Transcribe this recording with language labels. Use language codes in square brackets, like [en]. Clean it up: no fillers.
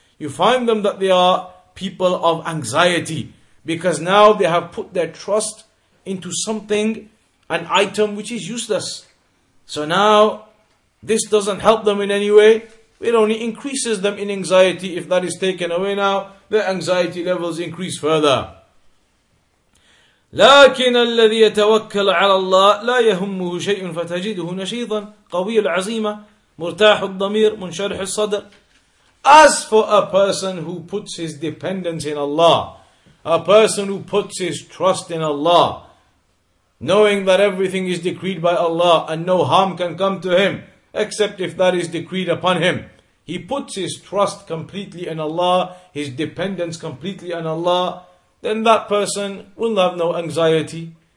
[en] You find them that they are people of anxiety, because now they have put their trust into something, an item which is useless. So now, this doesn't help them in any way. It only increases them in anxiety. If that is taken away now, their anxiety levels increase further. [ar] لكن الذي يتوكل على الله لا يهمه شيء فتجده نشيطا قوي العزيمة مرتاح الضمير منشرح الصدر. [en] As for a person who puts his dependence in Allah, a person who puts his trust in Allah, knowing that everything is decreed by Allah and no harm can come to him, except if that is decreed upon him. He puts his trust completely in Allah, his dependence completely on Allah, then that person will have no anxiety.